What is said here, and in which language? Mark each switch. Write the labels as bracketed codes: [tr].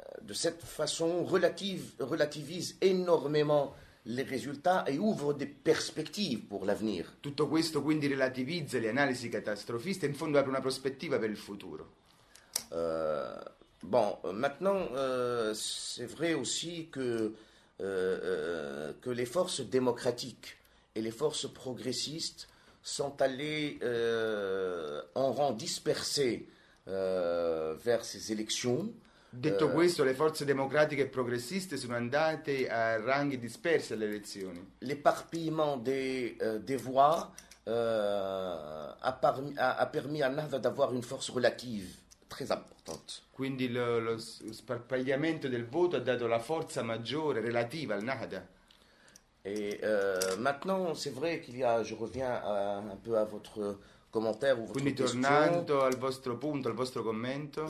[fr] de cette façon relativise énormément les résultats et ouvre des perspectives pour l'avenir. [it] Tutto questo quindi relativizza le analisi catastrofiste e in fondo apre una prospettiva per il futuro. [fr] C'est vrai aussi que les forces démocratiques et les forces progressistes sont allées en rang dispersé vers ces élections. [it] Detto questo, le forze democratiche e progressiste sono andate a ranghi dispersi alle elezioni. [fr] L'éparpillement des voix a permis à Nava d'avoir une force relative très importante. [it] Quindi lo sparpagliamento del voto ha dato la forza maggiore relativa al Nahda. [fr] Et maintenant, c'est vrai qu'il y a, je reviens un peu à votre commentaire ou votre [it] quindi, [fr] question. [it] Quindi tornando al vostro punto, al vostro commento.